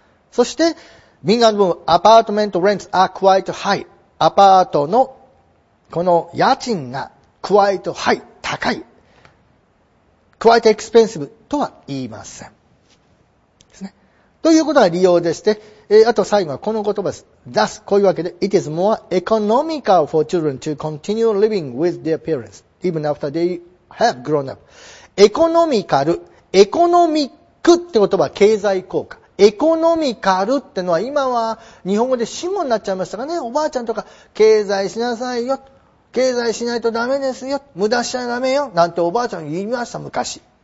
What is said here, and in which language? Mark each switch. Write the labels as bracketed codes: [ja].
[ja] そして、みんなの分、アパートメント [en] rents are quite high. [ja] アパートの、この家賃が [en] quite high, [ja] 高い。 [en] quite expensive [ja] とは言いません。ですね。ということは理由でして、あと最後はこの言葉です。 [en] thus, [ja] こういうわけで、 [en] it is more economical for children to continue living with their parents, even after they have grown up. [ja] エコノミカル、エコノミックって言葉は経済効果。エコノミカルってのは今は日本語で死語になっちゃいましたかね。おばあちゃんとか経済しなさいよ、経済しないとダメですよ、無駄しちゃダメよなんておばあちゃん言いました昔。